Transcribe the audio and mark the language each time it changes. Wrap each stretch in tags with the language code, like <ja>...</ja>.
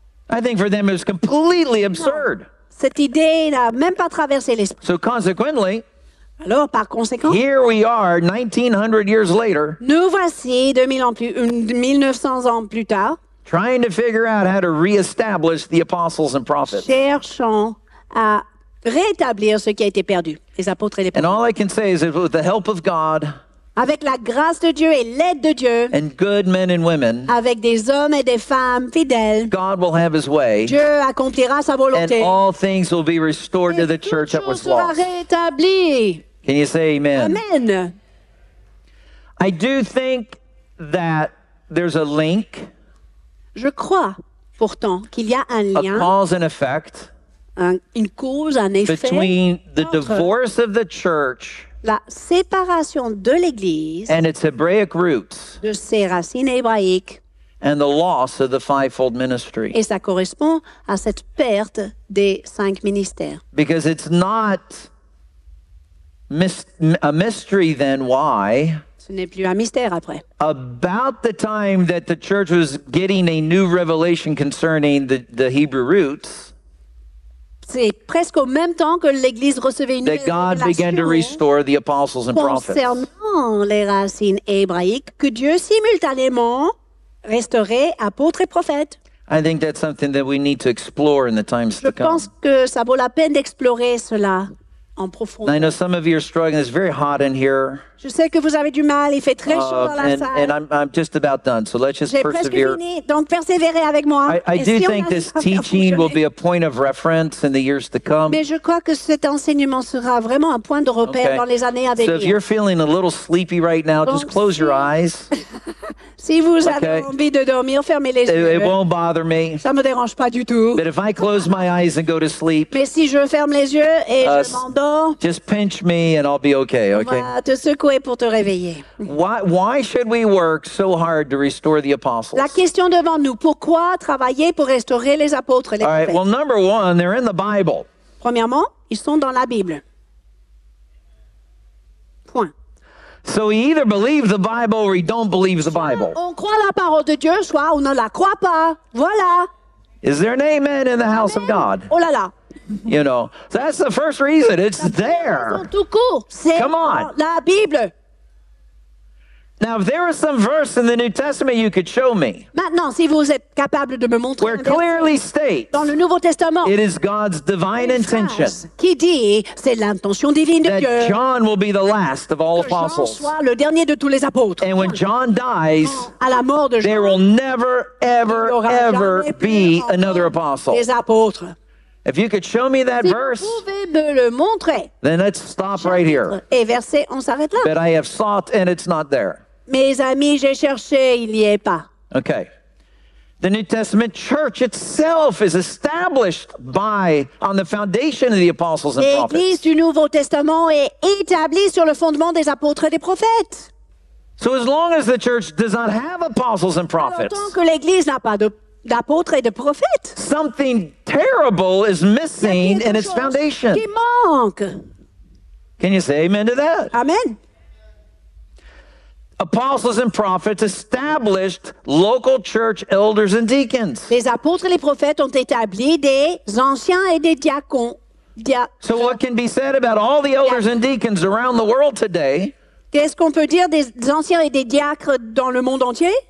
<en>I think for them it was completely absurd.</en> <fr>Cette idée n'a même pas traversé l'esprit.</fr> <en>So consequently,</en> <fr>alors par conséquent,</fr> <en>here we are 1900 years later.</en> <fr>Nous voici 1900 ans plus tard.</fr> <en>Trying to figure out how to reestablish the apostles and prophets.</en> <fr>Cherchons à rétablir ce qui a été perdu, les apôtres et les prophètes.</fr> <en>And all I can say is that with the help of God,</en> <fr>Avec la grâce de Dieu et l'aide de Dieu.</fr> <en>And good men and women.</en> <fr>Avec des hommes et des femmes fidèles.</fr> <en>God will have his way.</en> <fr>Dieu accomplira sa volonté.</fr> <en>And all things will be restored to the church that was lost.</en> <fr>Et toute chose sera rétablie.</fr> <en>Can you say amen? Amen. I do think that there's a link.</en> <fr>Je crois pourtant qu'il y a un lien.</fr> <en>A cause and effect.</en> <fr>Une cause, un effet.</fr> <en>Between the divorce of the church.</en> <fr>La séparation de l'Église.</fr> <en>And its Hebraic roots.</en> <fr>De ses racines hébraïques.</fr> <en>And the loss of the fivefold ministry.</en> <fr>Et ça correspond à cette perte des cinq ministères.</fr> <en>Because it's not a mystery then why.</en> <fr>Ce n'est plus un mystère après.</fr> <en>About the time that the church was getting a new revelation concerning the Hebrew roots.</en> <fr>C'est presque au même temps que l'Église recevait une révélation</fr> <en>began to restore the apostles and</en> <fr>concernant les racines hébraïques que Dieu simultanément restaurait apôtres et prophètes.</fr> <en>I think that's something that we need to explore in the times</en> <fr>Je</fr> <en>to come.</en> <fr>Je pense que ça vaut la peine d'explorer cela en profondeur.</fr> <en>I know some of you are struggling. It's very hot in here.</en> <fr>Je sais que vous avez du mal. Il fait très chaud dans la</fr> <en>and,</en> <fr>salle.</fr> <en>And I'm just about done, so let's just</en> <fr>J'ai</fr> <en>persevere.</en> <fr>Presque fini, donc persévérez avec moi.</fr> <en>I do si think this teaching will be a point of reference in the years to come.</en> <fr>Mais je crois que cet enseignement sera vraiment un point de repère okay. dans les années à venir.</fr> <en>So if you're feeling a little sleepy right now, just close your eyes.</en> <fr>Si vous okay. avez envie de dormir, fermez les yeux.</fr> <en>It won't bother me.</en> <fr>Ça me dérange pas du tout.</fr> <en>But if I close my eyes and go to sleep.</en> <fr>Mais si je ferme les yeux et je m'endors.</fr> <en>Just pinch me and I'll be okay. Okay.</en> <fr>Pour te réveiller.</fr> <en>Why should we work so hard to restore the apostles?</en> <fr>La question devant nous, pourquoi travailler pour restaurer les apôtres, les</fr> <en>All right, well, number one, they're in the Bible.</en> <fr>Premièrement, ils sont dans la Bible. Point.</fr> <en>So we either believe the Bible or we don't believe the Bible.</en> <fr>Soit on croit la parole de Dieu, soit on ne la croit pas. Voilà.</fr> <en>Is there an amen in the house amen. Of God?</en> <fr>Oh là là.</fr> <en>You know, that's the first reason. It's there. Come on.</en> <fr>La Bible.</fr> <en>Now, if there was some verse in the New Testament you could show me.</en> <fr>Maintenant, si vous êtes capable de me montrer.</fr> <en>Where clearly states.</en> <fr>Dans le Nouveau Testament.</fr> <en>It is God's divine intention.</en> <fr>Qui dit, c'est l'intention divine de Dieu.</fr> <en>That John will be the last of all apostles.</en> <fr>Que Jean soit le dernier de tous les apôtres.</fr> <en>And when John dies.</en> <fr>À la mort de Jean.</fr> <en>There will never, ever, ever be another apostle.</en> <fr>Des apôtres.</fr> <en>If you could show me that</en> <fr>si</fr> <en>verse,</en> <fr>me le montrer,</fr> <en>then let's stop right here.</en> <fr>Et verset, on s'arrête là.</fr> <en>But I have sought and it's not there.</en> <fr>Mes amis, j'ai cherché, il n'y est pas.</fr> <en>Okay. The New Testament church itself is established by, on the foundation of the apostles and prophets.</en> <fr>L'Église du Nouveau Testament est établie sur le fondement des apôtres et des prophètes.</fr> <en>So as long as the church does not have apostles and prophets,</en> <fr>tant que l'Église n'a pas d'apôtres et de prophètes.</fr> <en>Something terrible is missing in its foundation.</en> <fr>Qui manque.</fr> <en>Can you say amen to that? Amen. Apostles and prophets established local church elders and deacons.</en> <fr>Les apôtres et les prophètes ont établi des anciens et des diacons.</fr> <en>So what can be said about all the elders and deacons around the world today?</en> <fr>Qu'est-ce qu'on peut dire des anciens et des diacres dans le monde entier?</fr>